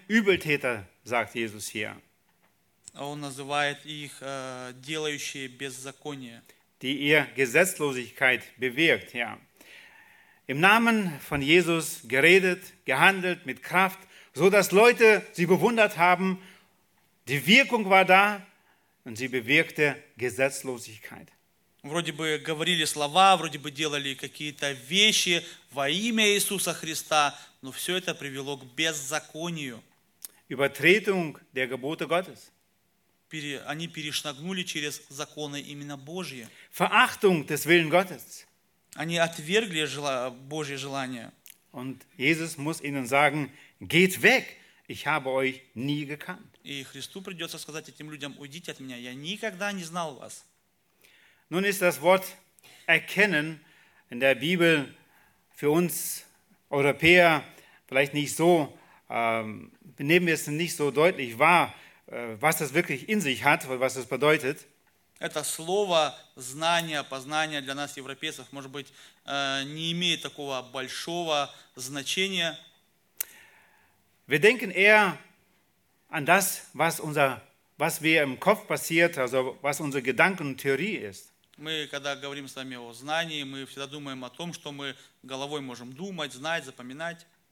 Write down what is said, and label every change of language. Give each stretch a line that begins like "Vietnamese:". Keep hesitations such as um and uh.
German: Übeltäter, sagt Jesus hier.
Russian: он называет их äh, делающие беззаконие.
German: Die ihr Gesetzlosigkeit bewirkt, ja. Im Namen von Jesus geredet, gehandelt mit Kraft, so dass Leute sie bewundert haben. Die Wirkung war da und sie bewirkte Gesetzlosigkeit.
Russian: Вроде бы говорили слова, вроде бы делали какие-то вещи во имя Иисуса Христа, но все это привело к беззаконию.
German: Übertretung der Gebote Gottes
Russian: пере, они перешагнули через законы именно Божьи.
German: Verachtung des Willen Gottes.
Russian: Они отвергли жел... Божье желание.
German: Und Jesus muss ihnen sagen, geht weg, ich habe euch nie gekannt.
Russian: И Христу придется сказать этим людям, уйдите от меня, я никогда не знал вас.
German: Nun ist das Wort erkennen in der Bibel für uns Europäer vielleicht nicht so, ähm, nehmen wir es nicht so deutlich wahr, was das really wirklich in sich hat, was das bedeutet.
Russian: Это слово знание, познание для нас европейцев, может быть, не имеет такого большого значения.
German: Wir denken eher an das, was unser, was wir im Kopf passiert, also was unsere Gedanken und Theorie ist.
Russian: Мы когда говорим с вами о знании, мы всегда думаем о том, что мы головой можем думать, знать, запоминать.